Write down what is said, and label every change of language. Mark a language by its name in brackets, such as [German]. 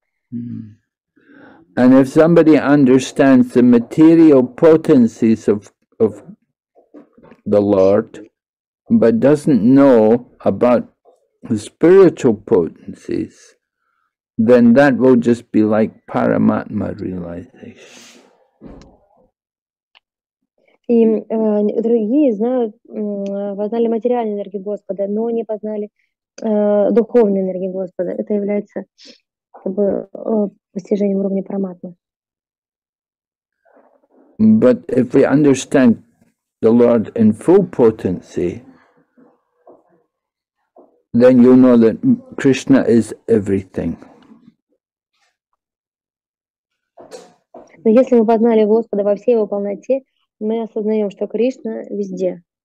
[English] And if somebody understands the material potencies of the Lord, but doesn't know about the spiritual potencies, then that will just be like Paramatma realization. [Russian] И другие знают, познали материальную энергию Господа, но не познали духовную энергию Господа. Это является как бы постижением уровня параматмы. [English] But if we understand the Lord in full potency, then you know that Krishna is everything. [Russian] Но если мы познали Господа во всей его полноте, мы осознаем, что Кришна везде.